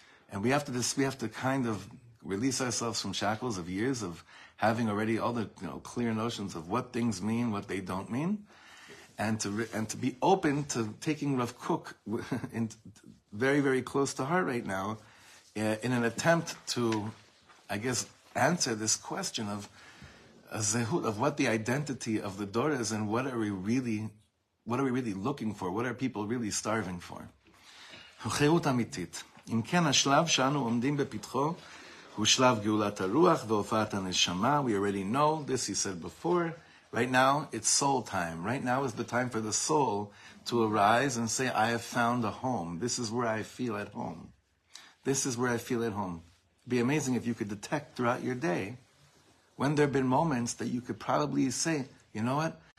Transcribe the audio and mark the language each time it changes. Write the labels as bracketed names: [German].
[English] And we have to just, we have to kind of release ourselves from shackles of years of having already all the, you know, clear notions of what things mean, what they don't mean, and to be open to taking Rav Kook in very, very close to heart right now, in an attempt to, I guess, answer this question of a zehut, of what the identity of the Dor is, and what are we really looking for? What are people really starving for? Chayut amitit. [Hebrew] אם כן, השלב שאנו עומדים בפתחו הוא שלב גאולת הרוח והופעת הנשמה. [English] We already know this, he said before. Right now, it's soul time. Right now is the time for the soul to arise and say, I have found a home. This is where I feel at home. This is where I feel at home. It'd be amazing if you could detect throughout your day when there have been moments that you could probably say, you know what?